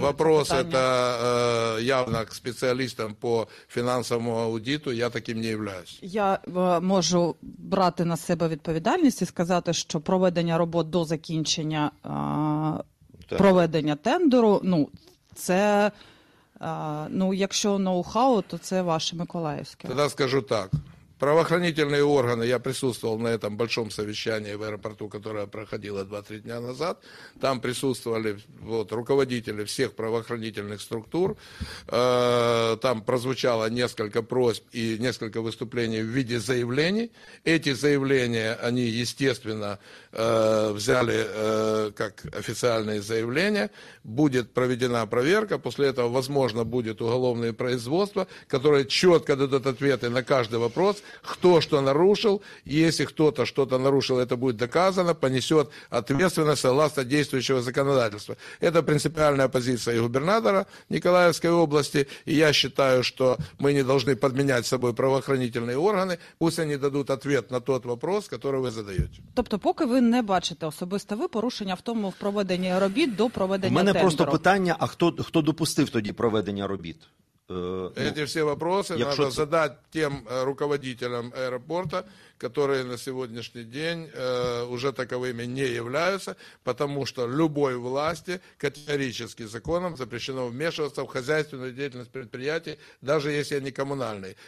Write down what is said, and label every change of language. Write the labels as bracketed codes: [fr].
[ru] Вопрос это явно к [uk] спеціалістам по фінансовому аудиту, [ru] я таким не являюсь. [uk] Я можу брати на себе відповідальність і сказати, що проведення робіт до закінчення проведення тендеру, ну, це... ну, якщо ноу-хау, то це ваше Миколаївське. Тоді скажу так. [ru] правоохранительные органы, я присутствовал на этом большом совещании в аэропорту, которое проходило 2-3 дня назад, там присутствовали вот, руководители всех правоохранительных структур, там прозвучало несколько просьб и несколько выступлений в виде заявлений. Эти заявления, они, естественно, взяли как официальные заявления, будет проведена проверка, после этого, возможно, будет уголовное производство, которое четко дадут ответы на каждый вопрос, кто что нарушил, если кто-то что-то нарушил, это будет доказано, понесет ответственность согласно действующего законодательства. Это принципиальная позиция и губернатора Николаевской области, и я считаю, что мы не должны подменять собой правоохранительные органы, пусть они дадут ответ на тот вопрос, который вы задаете. [uk] Тобто, поки ви не бачите особисто ви порушення в тому в проведенні робіт до проведення тендеру. У мене просто питання, а хто допустив тоді проведення робіт? [ru] Эти все вопросы надо задать тем руководителям аэропорта, которые на сегодняшний день уже таковыми не являются, потому что любой власти категорически законом запрещено вмешиваться в хозяйственную деятельность предприятий, даже если они коммунальные.